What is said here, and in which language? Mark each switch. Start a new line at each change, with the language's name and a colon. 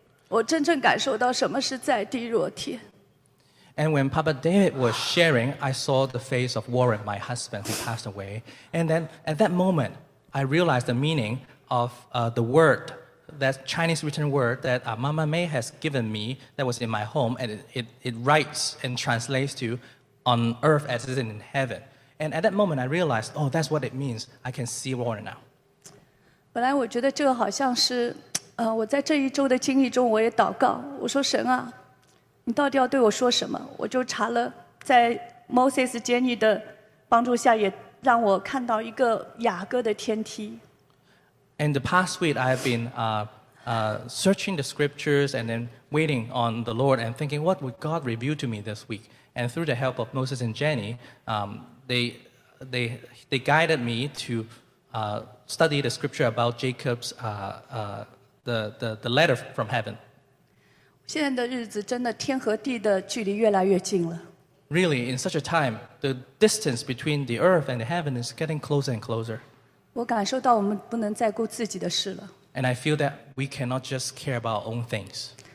Chinese: 我真正感受到什么是在地若天。
English: And when Papa David was sharing, I saw the face of Warren, my husband, who passed away. And then at that moment, I realized the meaning of the word, that Chinese written word that Mama May has given me that was in my home, and it writes and translates to on earth as it is in heaven. And at that moment, I realized, oh, that's what it means. I can see Warren now.
Chinese: 本来我觉得这个好像是 我在这一周的经历中，我也祷告，我说神啊，你到底要对我说什么？我就查了，在Moses监狱的帮助下，也让我看到一个雅各的天梯。
English: And the past week, I have been searching the scriptures and then waiting on the Lord and thinking, what would God reveal to me this week? And through the help of Moses and Jenny, they they guided me to study the scripture about Jacob's the letter from heaven.
Chinese: 现在的日子真的天和地的距离越来越近了。
English: Really, in such a time, the distance between the earth and the heaven is getting closer and closer.
Chinese: 我感受到我们不能再顾自己的事了。
English: And I feel that we cannot just care about our own things.